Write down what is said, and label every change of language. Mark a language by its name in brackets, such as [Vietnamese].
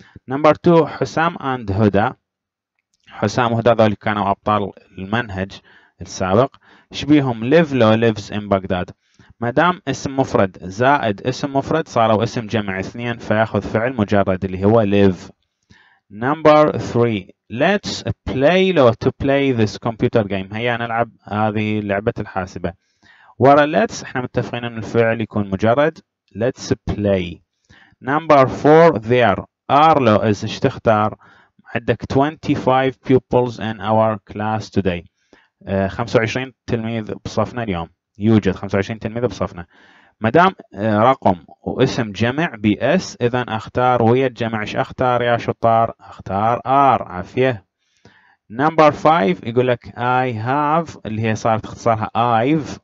[Arabic] نمبر 2 حسام اند هدى، حسام وهدى ذول كانوا ابطال المنهج السابق، شبيهم [English] leaf لو leaves ان Baghdad, [Arabic] مدام اسم مفرد زائد اسم مفرد صاروا اسم جمع اثنين فياخذ فعل مجرد اللي هو ليف. [English] Number three. Let's play or to play this computer game. [Arabic] هيا نلعب هذه لعبة الحاسبة. ورا let's احنا متفقين ان الفعل يكون مجرد. [English] Let's play. Number four. There are [Arabic] لو [English] is [Arabic] اش تختار؟ عندك [English] 25 pupils in our class today. [Arabic] 25 تلميذ بصفنا اليوم. يوجد 25 تلميذ بصفنا. مدام رقم واسم جمع بس اذا اختار ويا الجمع ايش اختار يا شطار؟ اختار ار. عافيه. نمبر 5 يقول لك [English] I have [Arabic] اللي هي صارت اختصارها ايف.